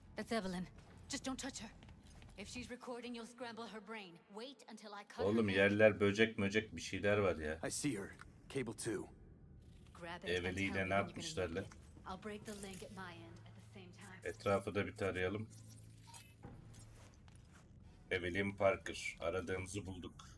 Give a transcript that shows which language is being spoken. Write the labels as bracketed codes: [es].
[en] Evelyn, just don't touch her. If she's recording, you'll scramble her brain. Wait until I cut. [tr] Oğlum yerler böcek möcek bir şeyler var ya. [en] I see her. Cable 2. [tr] Evelyn'e ne yapmışlar lan? [en] I'll break the link at my end at the same time. [tr] Etrafı da bir tarayalım. Evelyn Parker, aradığımızı bulduk.